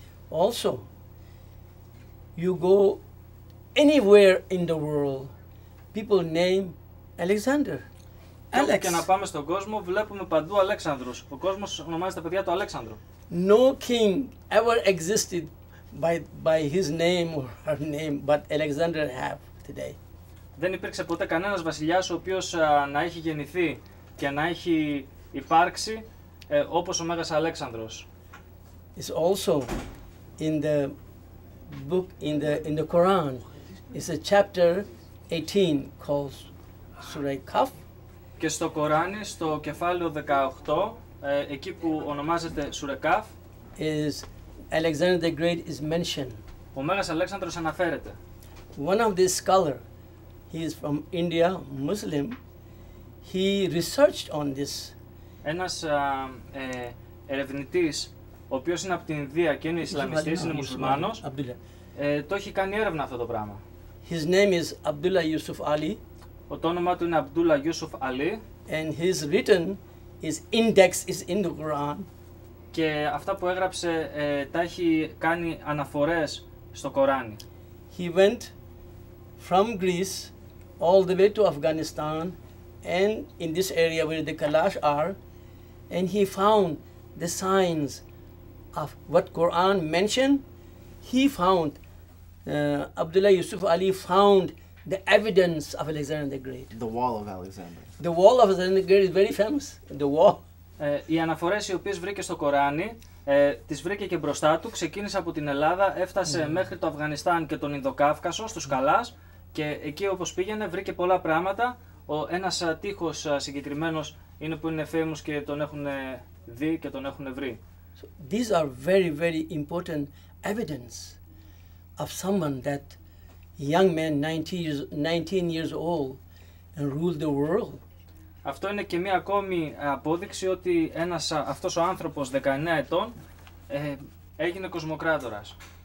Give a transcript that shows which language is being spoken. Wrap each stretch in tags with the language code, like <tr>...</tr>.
<en>Also, you go anywhere in the world, people name Alexander. Alex.</en> <el>Και να πάμε στον κόσμο, βλέπουμε παντού Αλέξανδρος. Ο κόσμος ονομάζει τα παιδιά του Αλέξανδρο.</el> <en>No king ever existed by his name or her name, but Alexander have today.</en> <el>Δεν υπήρξε ποτέ κανένας βασιλιάς ο οποίος να έχει γεννηθεί και να έχει υπάρξει όπως ο Μέγας Αλέξανδρος.</el> <en>It's also in the book in the Quran. It's a chapter 18 called Surah Kaf.</en> <el>Και στο Κοράνι, στο κεφάλαιο 18, εκεί που ονομάζεται Surah Kaf,</el> <en>is Alexander the Great is mentioned.</en> <el>Ο Μέγας Αλέξανδρος αναφέρεται.</el> <en>One of these scholar, he is from India, Muslim. He researched on this.</en> <el>Ένας ερευνητής, ο οποίος είναι από την Ινδία και είναι Ισλαμιστής, είναι Μουσουλμάνος, το έχει κάνει έρευνα αυτό το πράγμα.</el> <en>His name is Abdullah Yusuf Ali.</en> <el>Το όνομά του είναι Abdullah Yusuf Ali.</el> <en>And his written, his index is in the Quran.</en> <el>Και αυτά που έγραψε τα έχει κάνει αναφορές στο Κοράνι.</el> <en>He went from Greece all the way to Afghanistan. And in this area where the Kalash are, and he found the signs of what Quran mentioned. He found Abdullah Yusuf Ali found the evidence of Alexander the Great. The wall of Alexander. The wall of Alexander the Great is very famous. The wall.</en> <el>Οι αναφορές οι οποίες βρήκε στο Κοράνι, τις βρήκε και μπροστά του. Ξεκίνησε από την Ελλάδα, έφτασε μέχρι το Αφγανιστάν και τον Ινδοκάυκασο, στους Καλάς, και εκεί όπως πήγαινε βρήκε πολλά πράγματα. Ένας τείχος συγκεκριμένος είναι που είναι famous και τον έχουν δει και τον έχουν βρει.</el> <en>So these are very, very important evidence of someone that young man, 19 years old, and ruled the world.</en> <el>Αυτό είναι και μία ακόμη απόδειξη ότι αυτός ο άνθρωπος 19 ετών έγινε κοσμοκράτορας.</el>